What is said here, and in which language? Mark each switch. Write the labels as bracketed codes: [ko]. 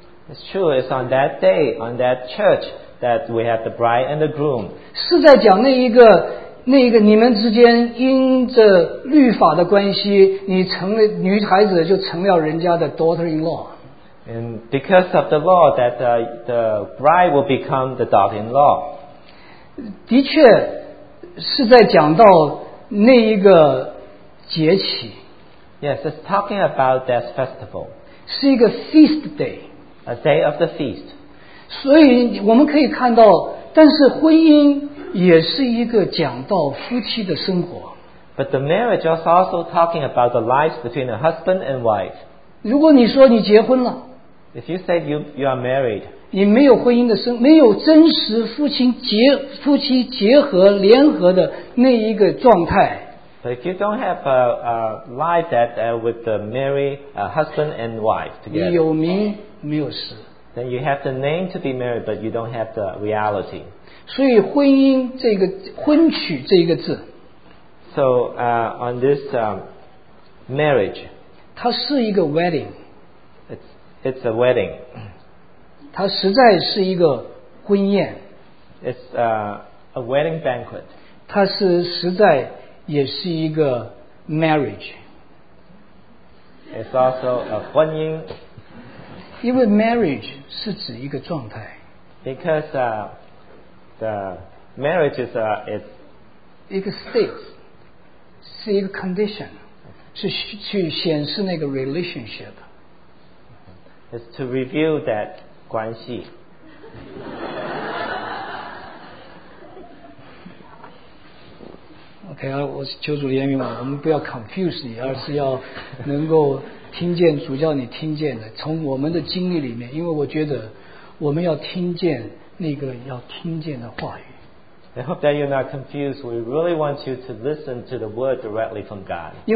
[en] It's true, it's on that day, on that church that we have the bride and the groom. [zh] 是在讲那一个你们之间因着律法的关系你成了女孩子就成了人家的 [en] daughter-in-law. And because of the law that the bride will become the daughter-in-law. [zh] 的确是在讲到那一个节期。 [en] Yes, it's talking about that festival. [zh] 是一个 [en] feast day. A day of the feast. [zh] 所以我们可以看到，但是婚姻也是一个讲到夫妻的生活。 [en] But the marriage is also talking about the lives between a husband and wife. [zh] 如果你说你结婚了。 [en] If you say you are married. [zh] 你没有婚姻的生，没有真实夫妻结合联合的那一个状态。 [en] But if you don't have a life that with the married husband and wife together, [zh] 你有名没有实。 [en] Then you have the name to be married, but you don't have the reality. [zh] 所以婚姻这个婚娶这一个字。 [en] So on this marriage, [zh] 它是一个 wedding. [en] It's a wedding. [zh] 它实在是一个婚宴 [en] ，It's a wedding banquet. [zh] 它是实在也是一个 marriage. [en] It's also a 婚姻. [zh] 因为 marriage 是指一个状态. [en] Because the marriage is a state, [zh] 是一个 [en] condition, [zh] 去显示那个 [en] relationship. It's to reveal that 关系. [zh] OK, 我求主怜悯我们不要 confuse 你，而是要能够听见主叫你听见的，从我们的经历里面，因为我觉得我们要听见那个要听见的话语。 [en] I hope that you're not confused. We really want you to listen to the word directly from God.